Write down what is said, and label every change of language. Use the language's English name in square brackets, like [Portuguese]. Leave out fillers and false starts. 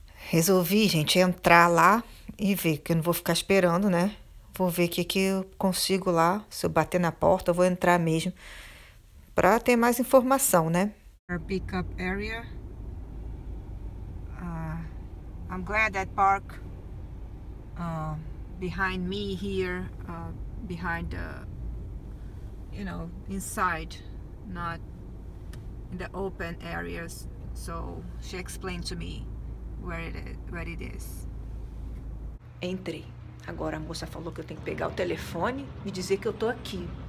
[Portuguese] Resolvi, gente, entrar lá e ver, que eu não vou ficar esperando, né? Vou ver o que eu consigo lá. Se eu bater na porta, eu vou entrar mesmo para ter mais informação, né? [English] Our pickup area. I'm glad that park behind me here, behind inside, not in the open areas. So she explained to me where it is. [Portuguese] Entrei. Agora a moça falou que eu tenho que pegar o telefone e dizer que eu tô aqui.